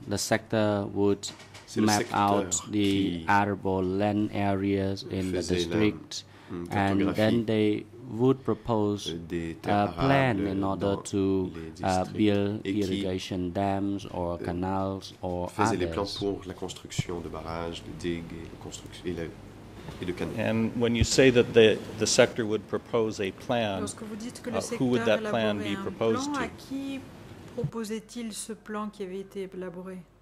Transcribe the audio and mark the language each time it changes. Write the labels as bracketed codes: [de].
[en] The sector would map out the arable land areas in the district, and then they would propose a plan in order to build irrigation dams or canals or others. [fr] Les plans pour la construction de barrages, de digues et de construction et de canaux. [en] And when you say that the sector would propose a plan, who would that plan be proposed to? [fr] À qui proposait-il ce plan qui avait été élaboré?